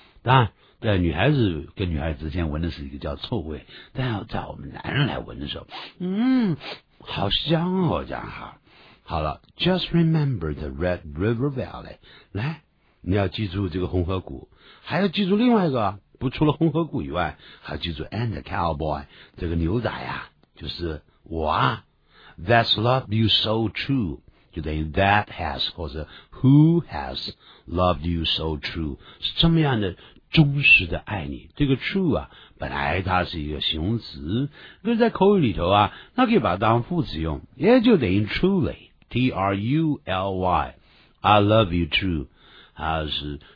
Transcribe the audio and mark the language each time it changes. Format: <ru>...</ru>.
<zh>当然，在女孩子跟女孩子之间闻的是一个叫臭味，但要在我们男人来闻的时候，好香哦，这样哈。好了 ，</zh> <en>Just remember the Red River Valley，</en> <zh>来，你要记住这个红河谷，还要记住另外一个。不除了红河谷以外，还记住</zh> <en>and the cowboy</en> <zh>这个牛仔啊，就是我啊。</zh> <en>That's loved you so true，</en> <zh>就等于 that has 或者</zh> <en>who has loved you so true，</en> <zh>是这么样的忠实的爱你。这个 true 啊，本来它是一个形容词，可是在口语里头啊，那可以把它当副词用，也就等于 truly， T R U L Y，</zh> <en>I love you true，</en> <zh>它是。</zh>